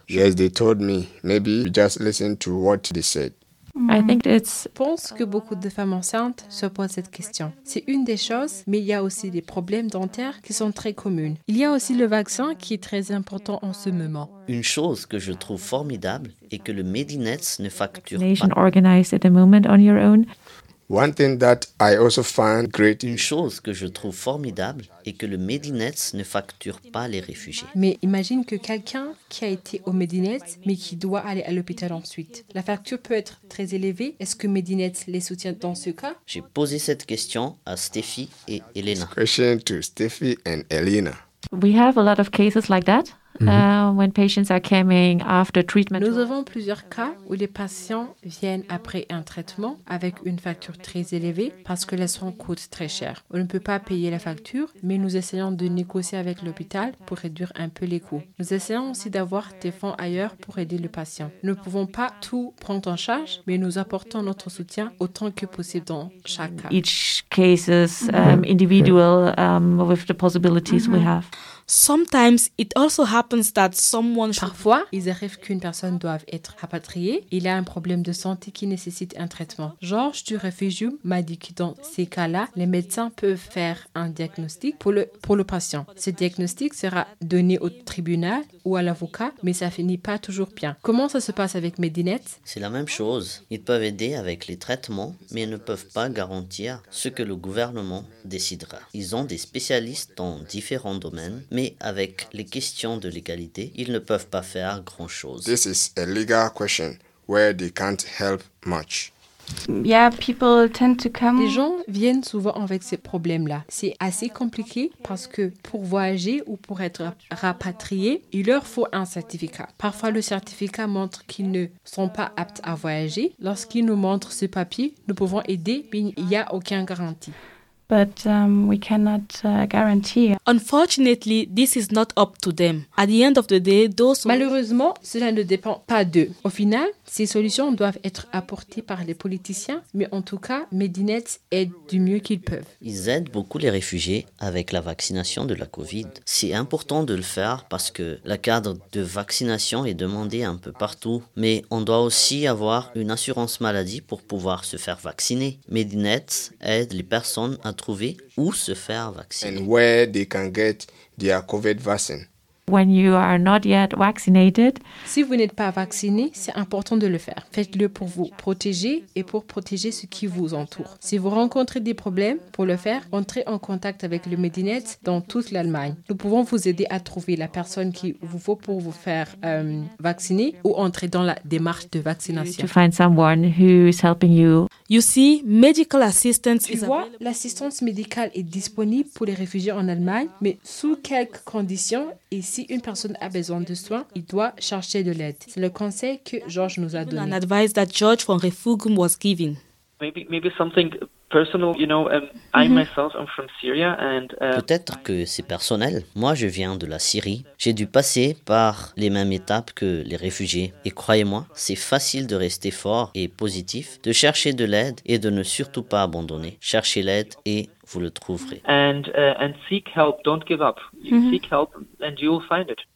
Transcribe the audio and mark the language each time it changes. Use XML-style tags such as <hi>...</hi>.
<en>Yes, they told me. Maybe just listen to what they said.</en> <fr>Je pense que beaucoup de femmes enceintes se posent cette question. C'est une des choses, mais il y a aussi des problèmes dentaires qui sont très communs. Il y a aussi le vaccin qui est très important en ce moment. Une chose que je trouve formidable est que le Medinets ne facture pas.</fr> <en>Vaccination organized at the moment on your own. One thing that I also find great.</en> <fr>Une chose que je trouve formidable est que le Medinets ne facture pas les réfugiés. Mais imagine que quelqu'un qui a été au Medinets mais qui doit aller à l'hôpital ensuite. La facture peut être très élevée. Est-ce que Medinets les soutient dans ce cas? J'ai posé cette question à Stéphie et Elena.</fr> <en>Question to Stéphie and Elena. We have a lot of cases like that. When patients are coming after treatment.</en> <fr>Nous avons plusieurs cas où les patients viennent après un traitement avec une facture très élevée parce que les soins coûtent très cher. On ne peut pas payer la facture, mais nous essayons de négocier avec l'hôpital pour réduire un peu les coûts. Nous essayons aussi d'avoir des fonds ailleurs pour aider le patient. Nous ne pouvons pas tout prendre en charge, mais nous apportons notre soutien autant que possible dans chaque cas.</fr> <en>Each case is individual with the possibilities we have. Sometimes it also happens that someone</en> <fr>parfois, il arrive qu'une personne doive être rapatriée. Il a un problème de santé qui nécessite un traitement. Georges du Refugium m'a dit que dans ces cas-là, les médecins peuvent faire un diagnostic pour le patient. Ce diagnostic sera donné au tribunal ou à l'avocat, mais ça finit pas toujours bien. Comment ça se passe avec Medinets? C'est la même chose. Ils peuvent aider avec les traitements, mais ils ne peuvent pas garantir ce que le gouvernement décidera. Ils ont des spécialistes dans différents domaines, mais avec les questions de légalité, ils ne peuvent pas faire grand-chose.</fr> <en>This is a legal question where they can't help much. Yeah, people tend to come.</en> <fr>Les gens viennent souvent avec ces problèmes-là. C'est assez compliqué parce que pour voyager ou pour être rapatrié, il leur faut un certificat. Parfois, le certificat montre qu'ils ne sont pas aptes à voyager. Lorsqu'ils nous montrent ce papier, nous pouvons aider, mais il n'y a aucune garantie.</fr> <en>But we cannot guarantee. Unfortunately, this is not up to them. At the end of the day, those.</en> <fr>Malheureusement, cela ne dépend pas d'eux. Au final, ces solutions doivent être apportées par les politiciens, mais en tout cas, Medinets aident du mieux qu'ils peuvent. Ils aident beaucoup les réfugiés avec la vaccination de la COVID. C'est important de le faire parce que le cadre de vaccination est demandé un peu partout. Mais on doit aussi avoir une assurance maladie pour pouvoir se faire vacciner. Medinets aide les personnes à trouver où se faire vacciner.</fr> <en>And where they can get their COVID vaccine. When you are not yet vaccinated.</en> <fr>Si vous n'êtes pas vacciné, c'est important de le faire. Faites-le pour vous protéger et pour protéger ceux qui vous entourent. Si vous rencontrez des problèmes, pour le faire, entrez en contact avec le Medinet dans toute l'Allemagne. Nous pouvons vous aider à trouver la personne qu'il vous faut pour vous faire vacciner ou entrer dans la démarche de vaccination.</fr> <en>To find someone who is helping you. You see, medical assistance is available.</en> <fr>L'assistance médicale est disponible pour les réfugiés en Allemagne, mais sous quelques conditions. Et si une personne a besoin de soins, il doit chercher de l'aide. C'est le conseil que George nous a donné.</fr> <en>An advice that George from Refugium was giving. Maybe something personal, you know, I myself am from Syria and</en> <fr>peut-être que c'est personnel. Moi, je viens de la Syrie. J'ai dû passer par les mêmes étapes que les réfugiés. Et croyez-moi, c'est facile de rester fort et positif, de chercher de l'aide et de ne surtout pas abandonner. Cherchez l'aide et vous le trouverez.</fr> <en>And seek help, don't give up. Seek help and you will find it.</en>